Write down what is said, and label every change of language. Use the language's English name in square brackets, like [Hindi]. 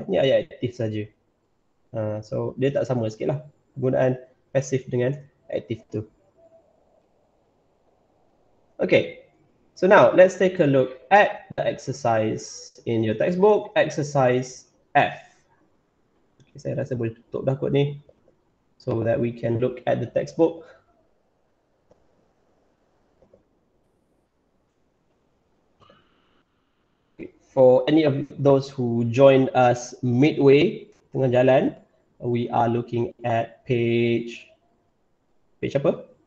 [Malay] Ni ayat aktif saja. So dia tak sama sikit lah penggunaan passive dengan aktif tu. [English] Okay. So now let's take a look at the exercise in your textbook, exercise F. [Malay] Okay, saya rasa boleh tutup dah kot ni. [English] So that we can look at the textbook. For any of those who joined us midway, [Malay] tengah jalan, [English] we are looking at page apa?